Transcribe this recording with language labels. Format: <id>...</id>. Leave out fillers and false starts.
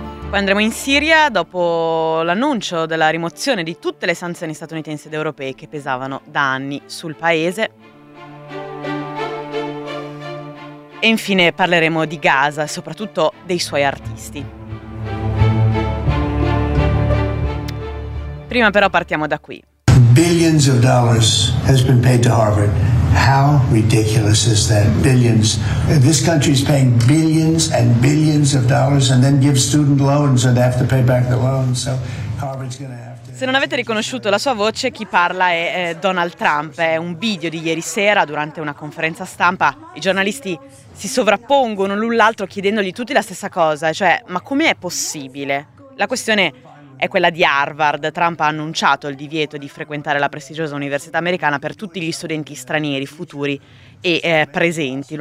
<it>Poi andremo in Siria dopo l'annuncio della rimozione di tutte le sanzioni statunitensi ed europee che pesavano da anni sul paese. E infine parleremo di Gaza e soprattutto dei suoi artisti. Prima però partiamo da qui.</it> <en>Billions of dollars has been paid to Harvard. How ridiculous is that? Billions. This country is paying billions and billions of dollars and then gives student loans and have to pay back the loans. So Harvard's gonna have to...</en> <it>Se non avete riconosciuto la sua voce, chi parla è Donald Trump. È un video di ieri sera durante una conferenza stampa. I giornalisti si sovrappongono l'un l'altro chiedendogli tutti la stessa cosa, cioè ma com'è possibile? La questione è quella di Harvard. Trump ha annunciato il divieto di frequentare la prestigiosa università americana per tutti gli studenti stranieri, futuri e presenti.</it>